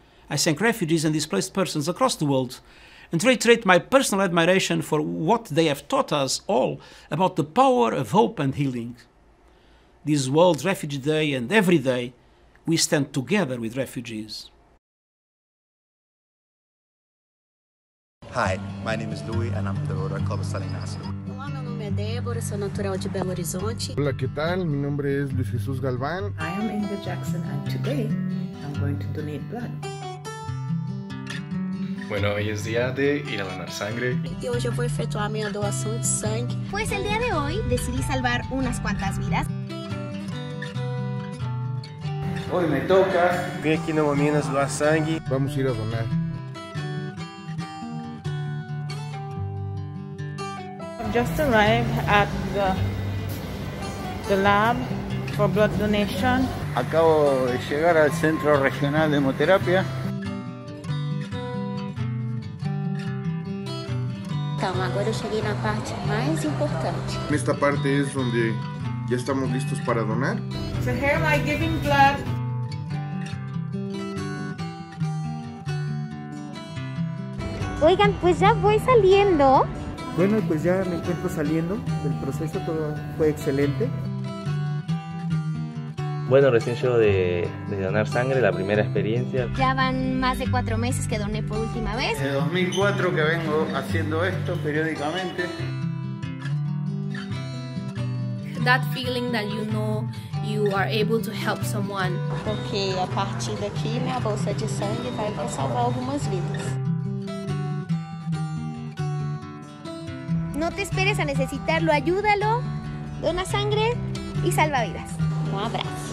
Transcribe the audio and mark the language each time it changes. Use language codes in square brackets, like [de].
[en] I thank refugees and displaced persons across the world and reiterate my personal admiration for what they have taught us all about the power of hope and healing. This World Refugee Day and every day, we stand together with refugees. Hi, my name is Louis and I'm the Rotary Club of Salinas. [es] Hola, mi nombre es Débora, soy natural de Belo Horizonte. Hola, ¿qué tal? Mi nombre es Luis Jesús Galván. [en] I am Inga Jackson and today I'm going to donate blood. [es] Bueno, hoy es día de ir a donar sangre. Y hoy yo voy a efectuar mi donación de sangre. Pues el día de hoy decidí salvar unas cuantas vidas. Hoy me toca. Ven aquí no mames la sangre. Vamos a ir a donar. [en] Just arrived at the lab for blood donation. [es] Acabo de llegar al centro regional de hemoterapia. [pt] Então, agora eu cheguei na parte mais importante. Nesta parte é onde já estamos [es] listos para donar. [en] So here am I giving blood. [es] Oigan, pues ya voy saliendo. Bueno, pues ya me encuentro saliendo del proceso, todo fue excelente. Bueno, recién llego de donar sangre, la primera experiencia. Ya van más de 4 meses que doné por última vez. De 2004 que vengo haciendo esto periódicamente. [en] That feeling that you know you are able to help someone. [pt] Porque a partir daqui, minha bolsa de sangue vai para salvar algumas vidas. [es] No te esperes a necesitarlo, ayúdalo, dona sangre y salva vidas. Un abrazo.